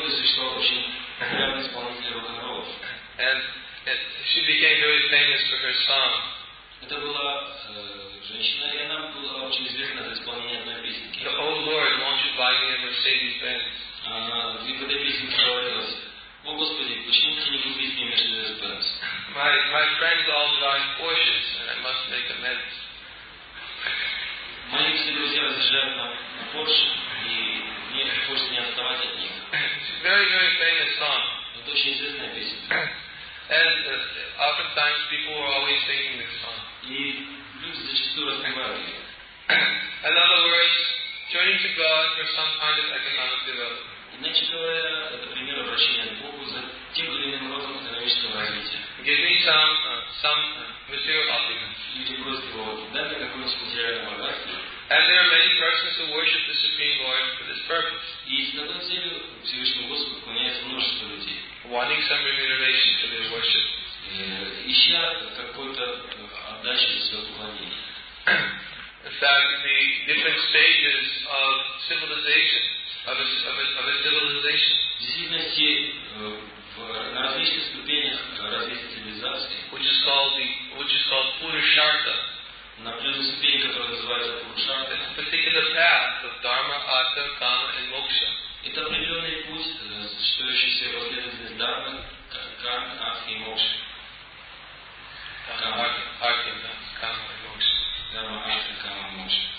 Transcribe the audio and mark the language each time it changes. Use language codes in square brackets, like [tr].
[en] And she became very famous for her song. [ru] Это была женщина, и она была очень известна за исполнение одной песенки. [en] The Old Lord, won't you buy me a Mercedes Benz? [ru] Она в этой песенке говорилась: О Господи, почему ты не купишь мне Mercedes Benz? [en] My friends all drive Porsches, and I must make amends. [ru] Мои все друзья разъезжают на Porsche, и мне хочется не отставать от них. [en] It's a very, very famous song. [ru] Это очень известная песенка. [en] And oftentimes people were always singing this song. [ru] И люди зачастую распевали. [en] In other words, turning to God for some kind of economic development. [ru] Иначе говоря, это пример обращения к Богу за тем или иным родом экономического развития. [en] Give me some material opulence. [ru] Люди просят его: дай мне какое-нибудь материальное богатство. [en] And there are many persons who worship the Supreme Lord for this purpose. [ru] И с такой целью Всевышнему Господу поклоняется множество людей. [en] Wanting some remuneration for their worship. [ru] Ища какой-то отдачи за свое поклонение. [en] In fact, the different stages of civilization, of a civilization. [ru] Действительности на различных ступенях развития цивилизации. [en] Which is called Purusharta. [ru] На определенной ступени, которая называется Purusharta. [en] It's a particular path of Dharma, Artha, Kama and Moksha. [ru] Это определенный путь, считающийся последовательность Дхармы, Кармы, Артхи и Мокши. Артхи, Кармы и Мокши. Дхарма, Артхи, Кармы и Мокши.